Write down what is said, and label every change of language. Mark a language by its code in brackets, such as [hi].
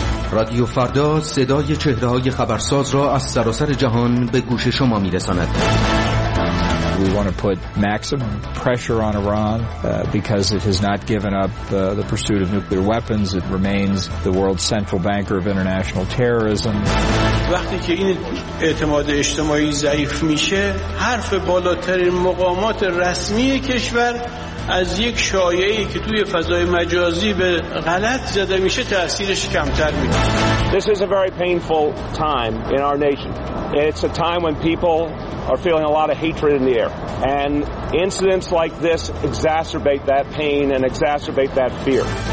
[fa] رادیو فردا صدای چهره های خبرساز را از سراسر جهان به گوش شما می رساند. [en] We want to put maximum pressure on Iran because it has not given up the pursuit of nuclear weapons. It remains the world's central banker of international terrorism. [fa] وقتی که این اعتماد اجتماعی ضعیف میشه، حرف بالاترین مقامات رسمی کشور از یک شایعه که توی فضای مجازی به غلط زده میشه تأثیرش کمتر میشه. [en] This is a very painful time in our nation. It's a time when people are feeling a lot of hatred in the air. And incidents like this exacerbate that pain and exacerbate that fear.